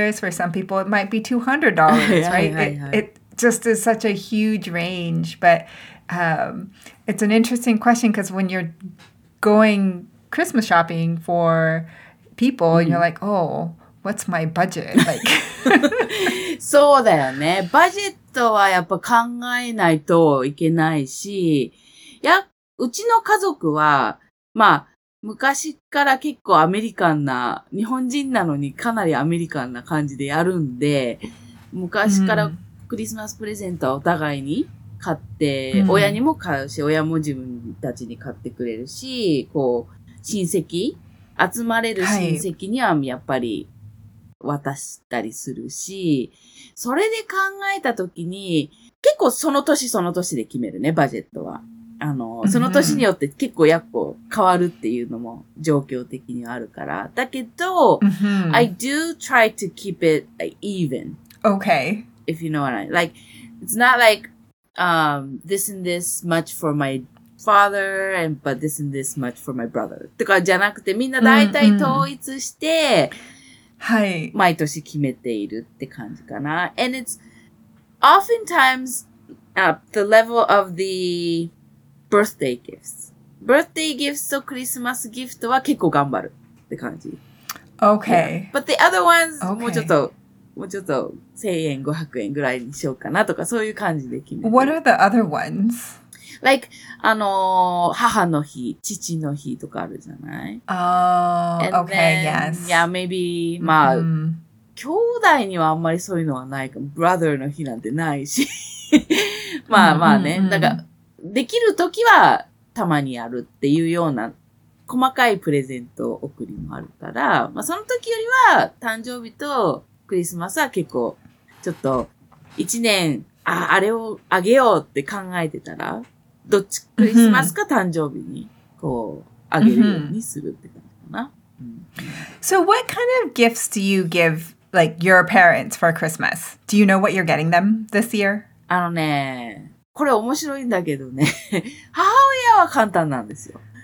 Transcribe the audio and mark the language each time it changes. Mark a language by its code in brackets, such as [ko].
[en] For some people, it might be $200, right? It just is such a huge range. But it's an interesting question because when you're going Christmas shopping for people, you're like, oh, what's my budget? Like, [ja] そうだよね。バジェットはやっぱ考えないといけないし、や、うちの家族は、まあ、昔から結構アメリカンな、日本人なのにかなりアメリカンな感じでやるんで、昔からクリスマスプレゼントはお互いに買って、親にも買うし、親も自分たちに買ってくれるし、こう、親戚、集まれる親戚にはやっぱり渡したりするし、それで考えたときに、結構その年その年で決めるね、バジェットは。あの、その年によって結構やっこ変わるっていうのも状況的にあるから。だけど、 [en] I do try to keep it even. Okay. If you know what I mean. Like, it's not like, this and this much for my father, and, but this and this much for my brother. [ja] とかじゃなくてみんな大体統一して、はい。毎年決めているって感じかな。 [en] And it's oftentimes, the level of the,Birthday gifts. Birthday gifts [ja] とクリスマスギフトは結構頑張るって感じ。 [en] Okay. Yeah. But the other ones,、okay. [ja] もうちょっと1000円、500円ぐらいにしようかなとかそういう感じで決める。 [en] What are the other ones? Like, [ja] 母の日、父の日とかあるじゃない [en] Oh,、And、okay, then, yes. Yeah, maybe, [ja] まあ、兄弟にはあんまりそういうのはないか。 Brother の日なんてないし。まあまあね。だからできるときはたまにあるっていうような細かいプレゼント送りもあるから、まあそのときよりは誕生日とクリスマスは結構ちょっと一年、あれをあげようって考えてたら、どっちクリスマスか誕生日にこうあげるようにするって感じかな。 [en] So what kind of gifts do you give like your parents for Christmas? Do you know what you're getting them this year? [ja] あのね、これ面白いんだけどね。母親は簡単なんですよ。